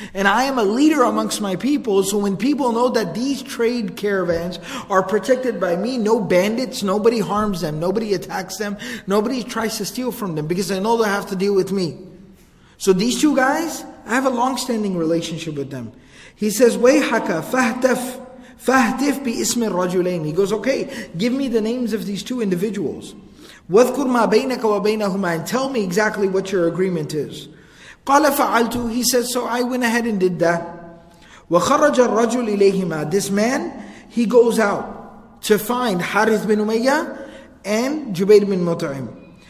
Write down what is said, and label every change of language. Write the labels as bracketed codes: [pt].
[en] And I am a leader amongst my people, so when people know that these trade caravans are protected by me, no bandits, nobody harms them, nobody attacks them, nobody tries to steal from them, because they know they have to deal with me. So these two guys, I have a long-standing relationship with them. He says, [ar] وَيْحَكَ فَهْتَفْ بِإِسْمِ الرَّجُلَيْنِ. [en] He goes, okay, give me the names of these two individuals. [ar] وَذْكُرْ مَا بَيْنَكَ وَبَيْنَهُمَا. [en] And tell me exactly what your agreement is. [ar] قَالَ فَعَلْتُ. [en] He says, so I went ahead and did that. [ar] وَخَرَجَ الرَّجُلِ إِلَيْهِمَا. [en] This man, he goes out to find Harith bin Umayyah and Jubayr bin Mut'im.